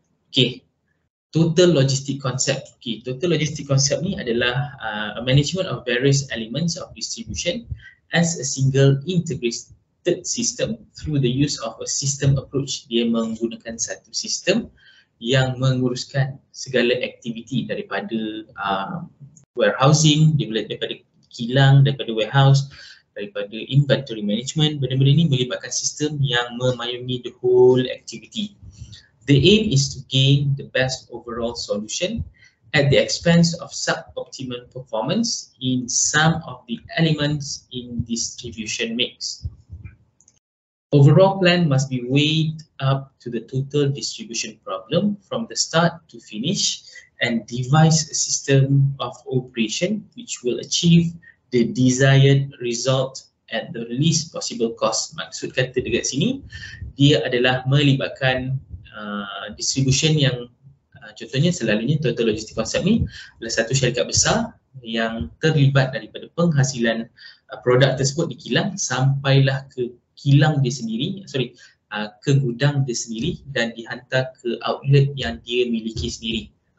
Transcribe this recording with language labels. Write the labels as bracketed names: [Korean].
[English] Okay, total logistic concept. Okay, total logistic concept [Malay] ni adalah [English] a management of various elements of distribution as a single integrated system through the use of a system approach. [Malay] Dia menggunakan satu sistem yang menguruskan segala aktiviti daripada warehousing, daripada kilang, daripada warehouse, daripada inventory management. Benda-benda ni melibatkan sistem yang memayungi [English] the whole activity. The aim is to gain the best overall solution at the expense of suboptimal performance in some of the elements in distribution mix. Overall plan must be weighed up to the total distribution problem from the start to finish and devise a system of operation which will achieve the desired result at the least possible cost. [Malay] Maksud kata dekat sini, dia adalah melibatkan distribution yang contohnya selalunya total logistic concept ni adalah satu syarikat besar yang terlibat daripada penghasilan produk tersebut di kilang sampailah ke kilang dia sendiri, ke gudang dia sendiri dan dihantar ke outlet yang dia miliki sendiri.